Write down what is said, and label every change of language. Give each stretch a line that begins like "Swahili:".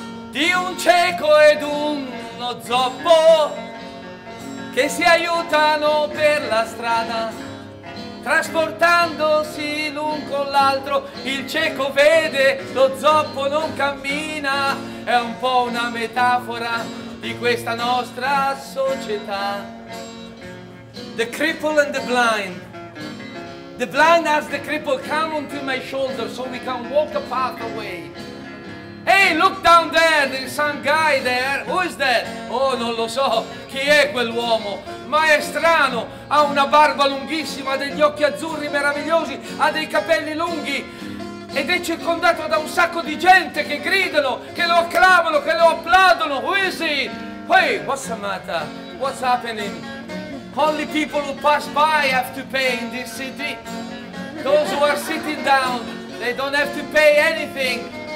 Italian: Di un cieco ed uno zoppo che si aiutano per la strada trasportandosi l'un con l'altro il cieco vede lo zoppo non cammina è un po' una metafora di questa nostra società
English: The cripple and the blind The blind as the cripple come onto my shoulder so we can walk a path away Hey, look down there, there's some guy there. Who is that?
Italian: Oh, non lo so, chi è quell'uomo? Ma è strano, ha una barba lunghissima, degli occhi azzurri meravigliosi, ha dei capelli lunghi ed è circondato da un sacco di gente che gridano, che lo acclamano, che lo applaudono.
English: Who is he? Hey, what's the matter? What's happening? Only people who pass by have to pay in this city. Those who are sitting down, they don't have to pay anything.